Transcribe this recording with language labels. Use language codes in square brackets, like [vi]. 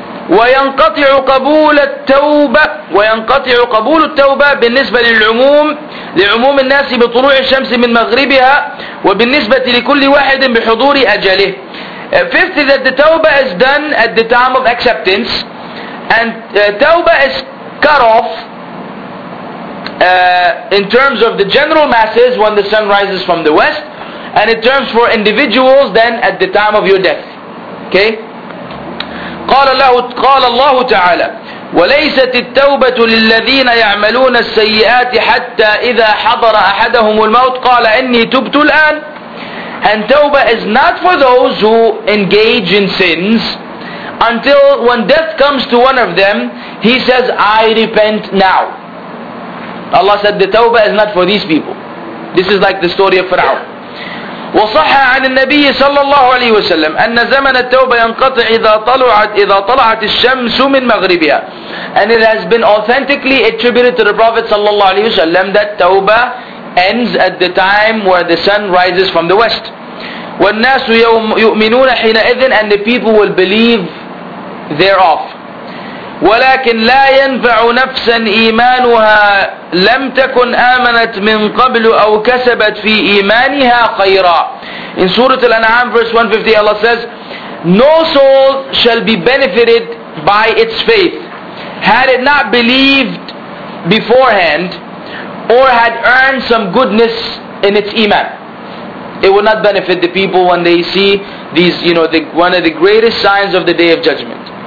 [ar] وينقطع قبول التوبة بالنسبة للعموم لعموم الناس بطلوع الشمس من مغربها وبالنسبة لكل واحد بحضور أجله. [en] Fifth is that the tawbah is done at the time of acceptance, and tawbah is cut off in terms of the general masses when the sun rises from the west, and it terms for individuals then at the time of your death. Okay? [ar] قال الله تعالى وليست التوبة للذين يعملون السيئات حتى إذا حضر أحدهم الموت قال إني تبت الآن. [en] And tawbah is not for those who engage in sins until when death comes to one of them, he says, I repent now. Allah said, the tawbah is not for these people. This is like the story of Fir'aun. [ar] وصح عن النبي صلى الله عليه وسلم أن زمن التوبة ينقطع إذا طلعت الشمس من مغربها. [en] And it has been authentically attributed to the Prophet صلى الله عليه وسلم that توبة ends at the time where the sun rises from the west. [ar] والناس يوم يؤمنون حينئذ, [en] and the people will believe thereof. [ar] ولكن لا ينفع نفسا إيمانها لم تكن آمنت من قبل أو كسبت في إيمانها خيرا. [en] In Surah Al-An'am verse 150 Allah says, no soul shall be benefited by its faith had it not believed beforehand or had earned some goodness in its iman. It will not benefit the people when they see these, you know, the one of the greatest signs of the Day of Judgment.